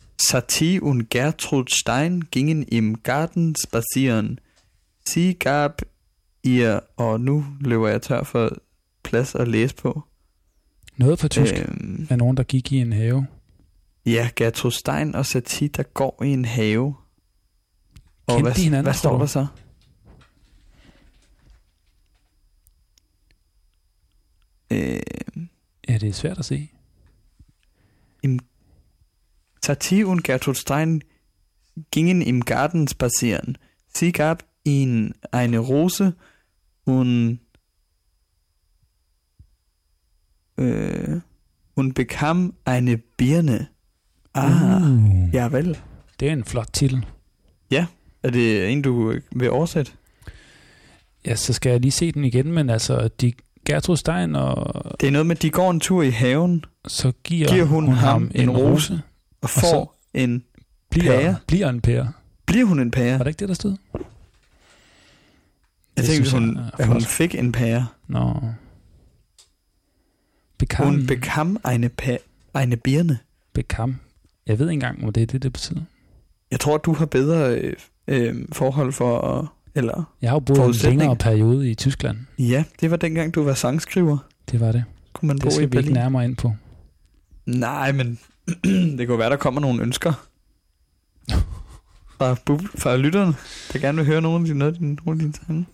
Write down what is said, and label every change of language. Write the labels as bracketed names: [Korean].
[German] Sati und Gertrud Stein gingen im Garten spazieren. Sie gab ihr... [Danish] Og nu løber jeg tør for plads at læse på. Noget på tysk er nogen, der gik i en have. Ja, Gertrud Stein og Sati, der går i en have. Og kendte hvad, hinanden, hvad står der så? Ja, det er svært at se. [German] Sati und Gertrud Stein gingen im Garten spazieren. Sie gab ihm eine Rose und bekam eine Birne. [Danish] Ah, ja vel. Det er en flot titel. Ja, er det en, du vil oversætte? Ja, så skal jeg lige se den igen, men altså, de Gertrud Stein og... Det er noget med, at de går en tur i haven, så giver hun ham en rose, og får og en pære. Bliver en pære. Bliver hun en pære? Var det ikke det, der stod? Jeg tænkte, hun fik en pære. Nå. Hun [German] bekam eine pære, eine birne. Bekam. [Danish] Jeg ved ikke engang, hvor det betyder. Jeg tror, du har bedre forhold for... Eller jeg har jo boet en længere periode i Tyskland. Ja, det var dengang, du var sangskriver. Det var det. Kunne man det skal i vi ikke nærmere ind på. Nej, men det kunne være, der kommer nogle ønsker. Fra lytteren, der gerne vil høre nogle af dine sange.